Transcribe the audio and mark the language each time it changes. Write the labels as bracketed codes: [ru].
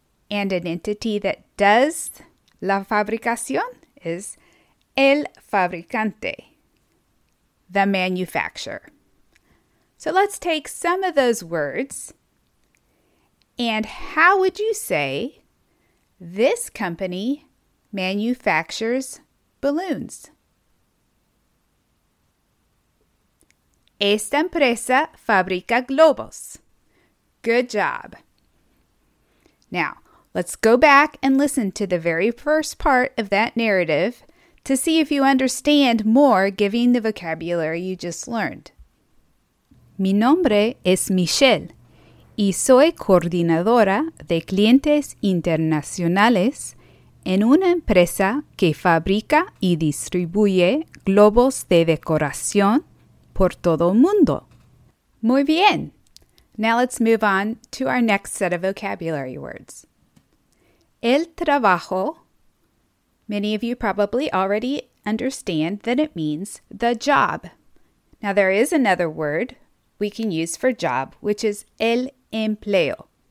[en] And an entity that does la fabricación is el fabricante, the manufacturer. So let's take some of those words. And how would you say this company manufactures balloons? [es] Esta empresa fabrica globos. [en] Good job. Now, let's go back and listen to the very first part of that narrative to see if you understand more, given the vocabulary you just learned. [es] Mi nombre es Michelle y soy coordinadora de clientes internacionales en una empresa que fabrica y distribuye globos de decoración por todo el mundo. Muy bien. [en] Now let's move on to our next set of vocabulary words. El trabajo, many of you probably already understand that it means the job. Now there is another word we can use for job, which is el empleo.